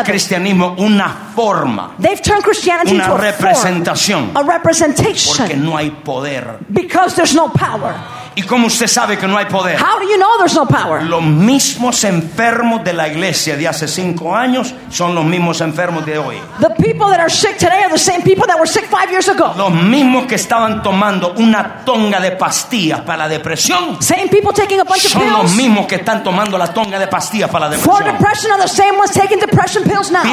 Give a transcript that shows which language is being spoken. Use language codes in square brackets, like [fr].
[es] el cristianismo una forma. [en] They've turned Christianity [es] una [en] into [es] representación. [en] A representation. [es] Porque no hay poder. [en] Because there's no power. [es] ¿Y cómo usted sabe que no hay poder? [en] How do you know there's no power? [es] Los mismos enfermos de la iglesia de hace 5 años son los mismos enfermos de hoy. [en] The people that are sick today are the same people that were sick 5 years ago. [es] Los mismos que estaban tomando una tonga de pastillas para la depresión. [en] Same people taking a bunch of pills. [es] Son los mismos que están tomando la tonga de pastillas para la depresión. [en] For depression are the same ones taking depression pills now.